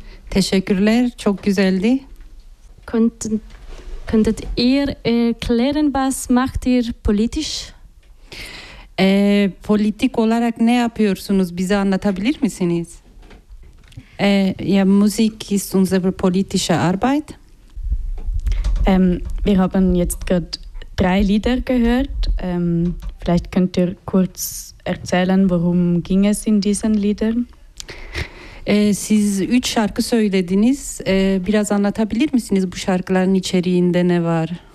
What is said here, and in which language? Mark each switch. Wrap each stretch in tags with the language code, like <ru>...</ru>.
<tr>Teşekkürler, çok güzeldi.</tr> <de>Könntet ihr erklären, was macht ihr politisch?</de> <tr>Politik olarak ne yapıyorsunuz? Bize anlatabilir misiniz?</tr> <de>Musik ist unsere politische Arbeit. Wir haben jetzt gerade 3 Lieder gehört. Vielleicht könnt ihr kurz erzählen, worum ging es in diesen Liedern?</de> <tr>Siz 3 şarkı söylediniz. Biraz anlatabilir misiniz bu şarkıların içeriğinde ne var?</tr>